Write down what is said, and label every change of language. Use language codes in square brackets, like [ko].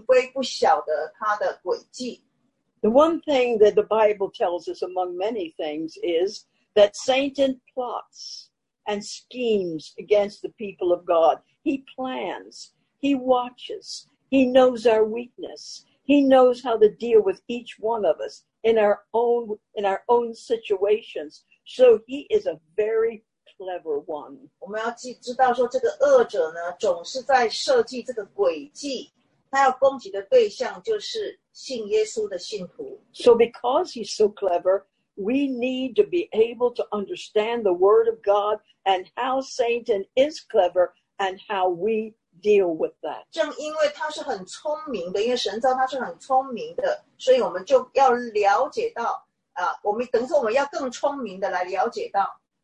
[zh] 但是我们需要晓得,免得撒旦趁着机会胜过我们,因为我们并非不晓得他的诡计。The [en] one thing that the Bible tells us among many things is that Satan plots and schemes against the people of God. He plans, he watches, he knows our weakness, he knows how to deal with each one of us in our own situations. So he is a very clever one. [zh] 我们要知道说这个恶者呢, 总是在设计这个诡计, 他要攻击的对象就是信耶稣的信徒。 [en] So because he's so clever, we need to be able to understand the word of God and how Satan is clever and how we deal with that. [zh] 正因为他是很聪明的, 因为神造他是很聪明的, 所以我们就要了解到, 我们等于说我们要更聪明的来了解到。